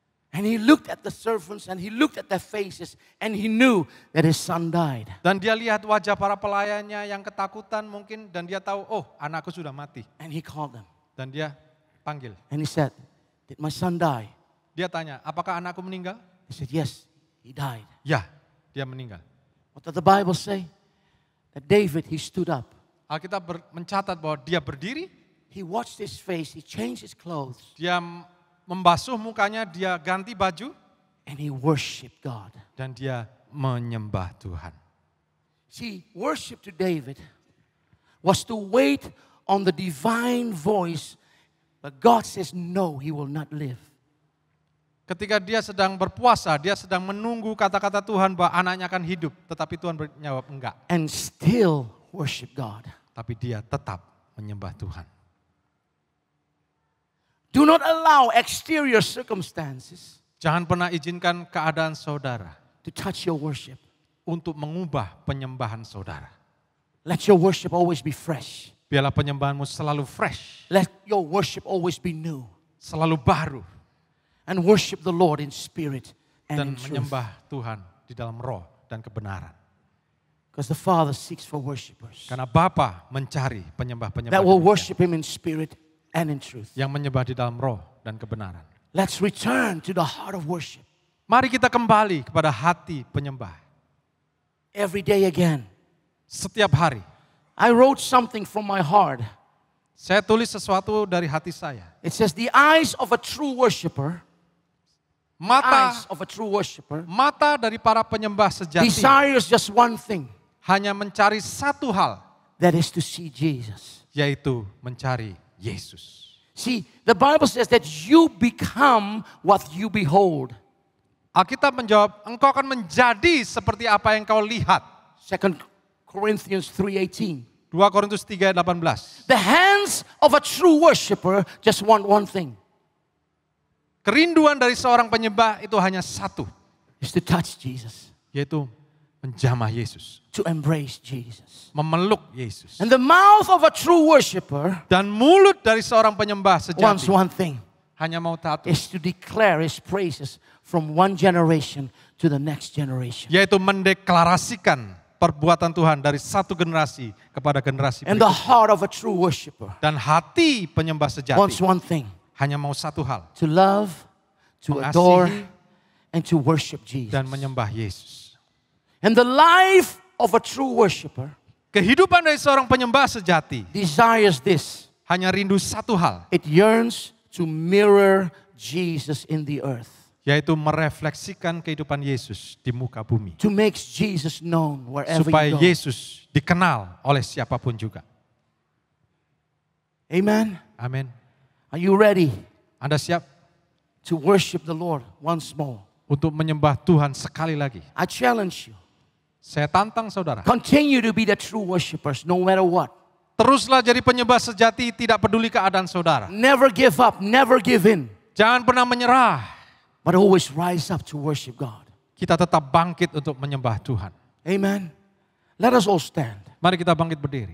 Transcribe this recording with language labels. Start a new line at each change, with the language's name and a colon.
English: And he looked at the servants and he looked at their faces and he knew that his son died.
Indonesian: Dan dia lihat wajah para pelayannya yang ketakutan mungkin dan dia tahu, oh anakku sudah mati.
English: And he called them.
Indonesian: Dan dia panggil.
English: And he said, did my son die?
Indonesian: Dia tanya, apakah anakku meninggal?
English: He said, yes, he died.
Indonesian: Ya, dia meninggal.
English: What did the Bible say? That David, he stood up.
Indonesian: Alkitab mencatat bahwa dia berdiri.
English: He washed his face, he changed his clothes.
Indonesian: Dia membasuh mukanya, dia ganti baju.
English: And he worshiped God.
Indonesian: Dan dia menyembah Tuhan.
English: See, worship to David was to wait on the divine voice, but God says no, he will not live.
Indonesian: Ketika dia sedang berpuasa, dia sedang menunggu kata-kata Tuhan bahwa anaknya akan hidup, tetapi Tuhan menjawab enggak.
English: And still worship God.
Indonesian: Tapi dia tetap menyembah Tuhan.
English: Do not allow exterior circumstances.
Indonesian: Jangan pernah izinkan keadaan saudara
English: to touch your worship,
Indonesian: untuk mengubah penyembahan saudara.
English: Let your worship always be fresh.
Indonesian: Biarlah penyembahanmu selalu fresh.
English: Let your worship always be new.
Indonesian: Selalu baru.
English: And worship the Lord in spirit and
Indonesian: dan
English: in truth.
Indonesian: Dan menyembah Tuhan di dalam roh dan kebenaran.
English: Because the Father seeks for worshipers.
Indonesian: Karena Bapa mencari penyembah-penyembah
English: that will worship Him in spirit and in truth.
Indonesian: Yang menyembah di dalam roh dan kebenaran.
English: Let's return to the heart of worship.
Indonesian: Mari kita kembali kepada hati penyembah.
English: Every day again.
Indonesian: Setiap hari.
English: I wrote something from my heart.
Indonesian: Saya tulis sesuatu dari hati saya.
English: It says the eyes of a true worshipper.
Indonesian: Mata
English: eyes of a true worshipper.
Indonesian: Mata dari para penyembah sejati.
English: Desires just one thing.
Indonesian: Hanya mencari satu hal.
English: That is to see Jesus.
Indonesian: Yaitu mencari Yesus.
English: See, the Bible says that you become what you behold.
Indonesian: Alkitab menjawab, engkau akan menjadi seperti apa yang kau lihat.
English: 2 Corinthians 3:18.
Indonesian: 2 Korintus 3:18.
English: The hands of a true worshipper just want one thing.
Indonesian: Kerinduan dari seorang penyembah itu hanya satu.
English: Is to touch Jesus.
Indonesian: Yaitu menjamah Yesus.
English: To embrace Jesus.
Indonesian: Memeluk Yesus.
English: And the mouth of a true worshipper.
Indonesian: Dan mulut dari seorang penyembah sejati.
English: Wants one thing.
Indonesian: Hanya mau satu.
English: Is to declare his praises from one generation to the next generation.
Indonesian: Yaitu mendeklarasikan perbuatan Tuhan dari satu generasi kepada generasi berikutnya.
English: And the heart of a true worshipper.
Indonesian: Dan hati penyembah sejati.
English: Wants one thing.
Indonesian: Hanya mau satu hal.
English: To love, to adore, and to worship Jesus.
Indonesian: Dan menyembah Yesus.
English: And the life of a true worshipper.
Indonesian: Kehidupan dari seorang penyembah sejati.
English: Desires this.
Indonesian: Hanya rindu satu hal.
English: It yearns to mirror Jesus in the earth.
Indonesian: Yaitu merefleksikan kehidupan Yesus di muka bumi.
English: To make Jesus known wherever you go.
Indonesian: Supaya Yesus dikenal oleh siapapun juga.
English: Amen.
Indonesian: Amen.
English: Are you ready?
Indonesian: Anda siap?
English: To worship the Lord once more.
Indonesian: Untuk menyembah Tuhan sekali lagi.
English: I challenge you.
Indonesian: Saya tantang saudara.
English: Continue to be the true worshipers no matter what.
Indonesian: Teruslah jadi penyembah sejati tidak peduli keadaan saudara.
English: Never give up, never give in.
Indonesian: Jangan pernah menyerah.
English: But always rise up to worship God.
Indonesian: Kita tetap bangkit untuk menyembah Tuhan.
English: Amen. Let us all stand.
Indonesian: Mari kita bangkit berdiri.